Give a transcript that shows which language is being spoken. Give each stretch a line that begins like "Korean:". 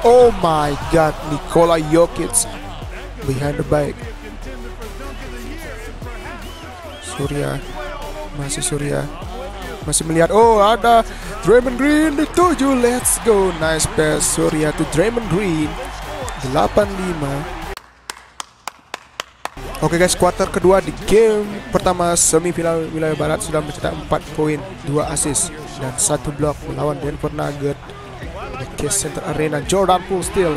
English: Oh my god, Nikola Jokic behind the back.
Indonesian: Surya, masih Surya, masih melihat. Oh, ada Draymond Green di 7.
English: Let's go, nice pass Surya to Draymond Green. 8-5.
Indonesian: Oke guys, quarter kedua di game pertama semifinal wilayah barat sudah mencetak 4 poin, 2 assist dan 1 block melawan Denver Nuggets di K-Center Arena. Jordan Poole still.